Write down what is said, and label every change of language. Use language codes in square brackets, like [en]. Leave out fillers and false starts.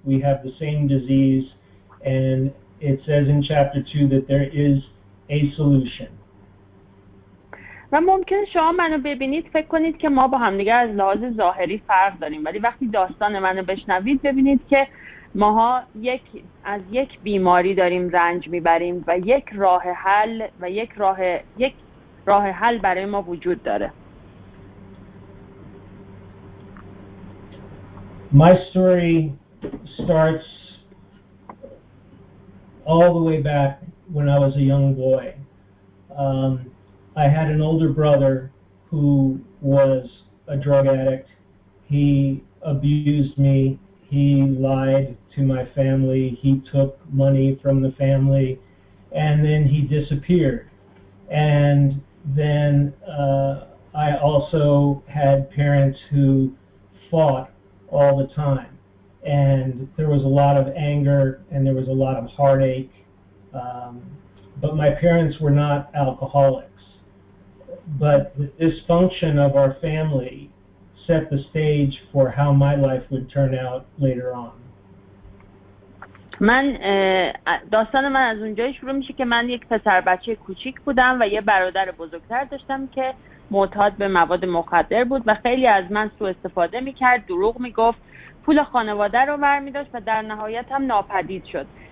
[en] We have the same disease, and it says in chapter 2 that there is a solution. [fa] و ممکن شما منو ببینید فکر کنید که ما با هم دیگه از لحاظ ظاهری فرق داریم، ولی وقتی داستان منو بشنوید ببینید که ماها یک از یک بیماری داریم رنج میبریم و یک راه حل و یک راه حل برای ما وجود داره. [en] My story starts all the way back when I was a young boy. I had an older brother who was a drug addict. He abused me. He lied to my family. He took money from the family. And then he disappeared. And then I also had parents who fought all the time. And there was a lot of anger and there was a lot of heartache. But my parents were not alcoholics. But the dysfunction of our family set the stage for how my life would turn out later on. [fa] من داستان من از اونجایی شروع میشه که من یک پسر بچه کوچیک بودم و یه برادر بزرگتر داشتم که معتاد به مواد مخدر بود و خیلی از من سوء استفاده میکرد، دروغ میگفت، پول خانواده رو برمیداشت و در نهایت هم ناپدید شد.